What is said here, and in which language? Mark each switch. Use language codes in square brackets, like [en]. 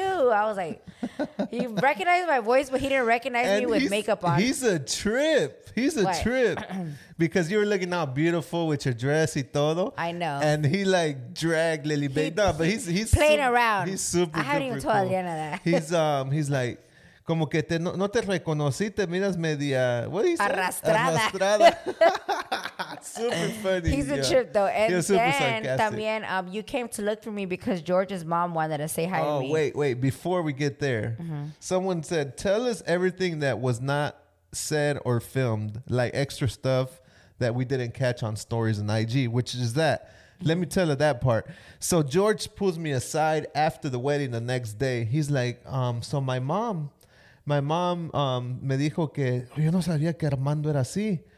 [en] I was like, he recognized my voice, but he didn't recognize me with makeup on. He's a trip. He's a trip. Because you were looking all beautiful with your dress [es] y todo. [en] I know. And he, like, dragged Lily Bay. No, but he's playing super, around. He's super, I haven't even told Adriana that. He's like, [es] Como que te no te reconocí, te miras media... [en] What did he say? [es] Arrastrada. [en] Super funny. He's a trip, though. And he's super sarcastic. [es] También, [en] you came to look for me because George's mom wanted to say hi to me. Oh, wait. Before we get there, someone said, tell us everything that was not said or filmed, like extra stuff that we didn't catch on stories and IG, which is that. Let me tell you that part. So George pulls me aside after the wedding the next day. He's like, so my mom [es] me dijo que yo no sabía que Armando era así.